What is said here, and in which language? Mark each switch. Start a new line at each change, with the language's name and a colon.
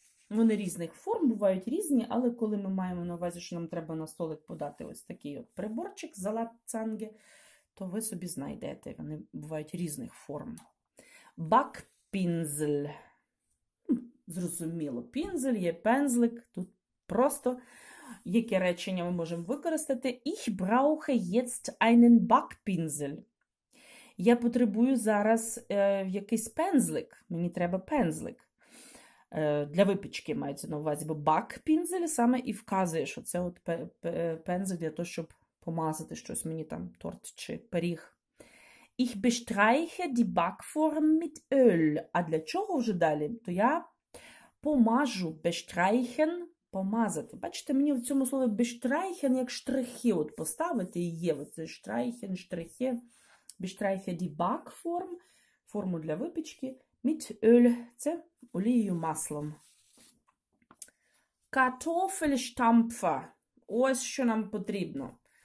Ukrainian: Вони різних форм, бувають різні, але коли ми маємо на увазі, що нам треба на столик подати ось такий от приборчик, залат цанге, то ви собі знайдете. Вони бувають різних форм. Бакпінзель. Зрозуміло, пінзель є пензлик, тут просто. Яке речення ми можемо використати?
German: Ich brauche jetzt einen Backpinsel.
Ukrainian: Я потребую зараз якийсь пензлик. Мені треба пензлик. Для випічки мається на увазі, бо Backpinsel саме і вказує, що це от пензлик для того, щоб помазати щось мені там, торт чи пиріг.
German: Ich bestreiche die Backform mit Öl.
Ukrainian: А для чого вже далі? То я помажу bestreichen. Помазати. Бачите, мені в цьому слові «бештрайхен» як штрихи от поставити і є. Оце «штрайхен», «штрихи», «бештрайхе ді бакформ» – форму для випічки. «Міт өль» – це олією маслом. «Картофельштампфа» – ось що нам потрібно.